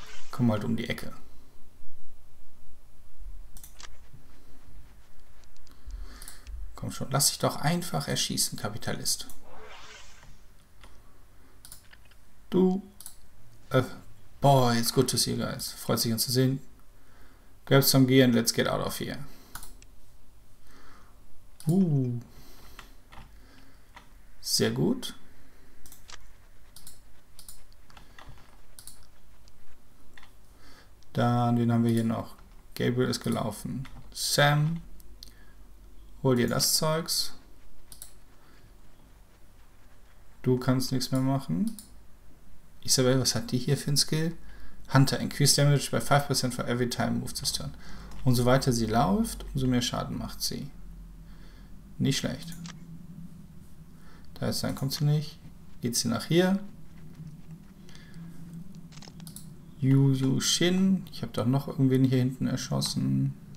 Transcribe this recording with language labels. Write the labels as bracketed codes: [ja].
[de] Komm halt um die Ecke. Komm schon, lass dich doch einfach erschießen, Kapitalist. Du. [en] Boy, it's good to see you guys. [de] Freut sich, uns zu sehen. [en] Grab some gear and let's get out of here. [de] Sehr gut. Dann, wen haben wir hier noch? Gabriel ist gelaufen. Sam, hol dir das Zeugs. Du kannst nichts mehr machen. Isabel, was hat die hier für ein Skill? [en] Hunter, increase damage by 5% for every time move this turn. [de] Umso weiter sie läuft, umso mehr Schaden macht sie. Nicht schlecht. Heißt, dann kommt sie nicht. Geht sie nach hier. Yu Yu Shin. Ich habe doch noch irgendwen hier hinten erschossen.